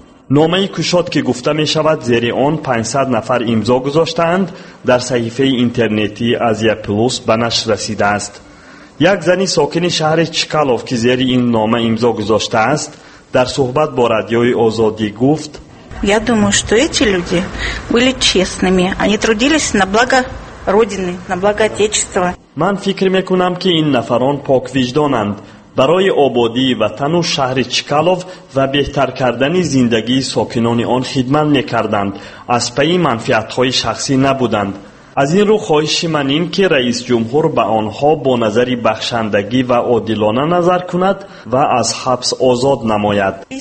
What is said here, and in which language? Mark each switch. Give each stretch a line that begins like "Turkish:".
Persian: نامه کشاد که گفته می شود زیر آن 500 نفر امضا گذاشتند در صحیفه اینترنتی از یک پلوس به نشر رسیده است. یک زنی ساکن شهر چکالوف که زیر این نامه امضا گذاشته است در صحبت با رادیوی آزادی گفت:
Russian: Я думаю, что эти люди были честными. Они трудились на благо родины, на благо отечества.
Persian: من فکر می کنم که این نفران پاک وجدانند. برای آبادی وطن و شهر چکالوف و بهتر کردن زندگی ساکنان آن خدمت نکردند، از پی منفعت های شخصی نبودند. از این رو خواهش من این که رئیس جمهور به آنها با نظر بخشندگی و عادلانه نظر کند و از حبس آزاد نماید.